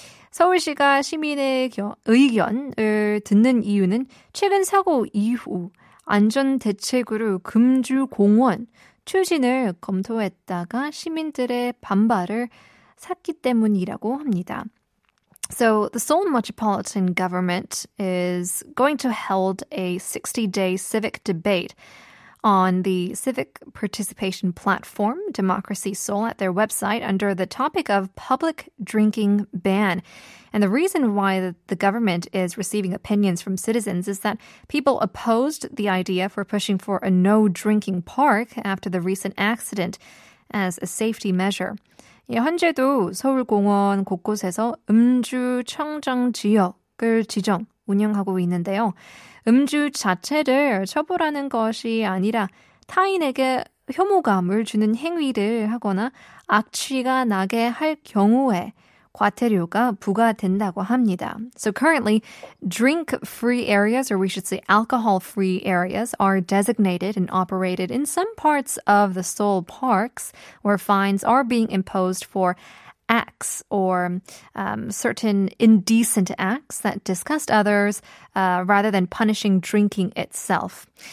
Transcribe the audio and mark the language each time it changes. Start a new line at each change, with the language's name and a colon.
Korean: 서울시가 시민의 의견을 듣는 이유는 최근 사고 이후 안전대책으로 금주공원 추진을 검토했다가 시민들의 반발을 샀기 때문이라고 합니다.
English: So the Seoul Metropolitan Government is going to hold a 60-day civic debate on the civic participation platform Democracy Seoul at their website under the topic of public drinking ban. And the reason why the government is receiving opinions from citizens is that people opposed the idea for pushing for a no drinking park after the recent accident as a safety measure.
Korean: 예, 현재도 서울공원 곳곳에서 음주 청정 지역을 지정 운영하고 있는데요. 음주 자체를 처벌하는 것이 아니라 타인에게 혐오감을 주는 행위를 하거나 악취가 나게 할 경우에 과태료가 부과된다고 합니다.
English: So currently, drink-free areas, or we should say alcohol-free areas, are designated and operated in some parts of the Seoul parks where fines are being imposed for acts or certain indecent acts that disgust others rather than punishing drinking itself.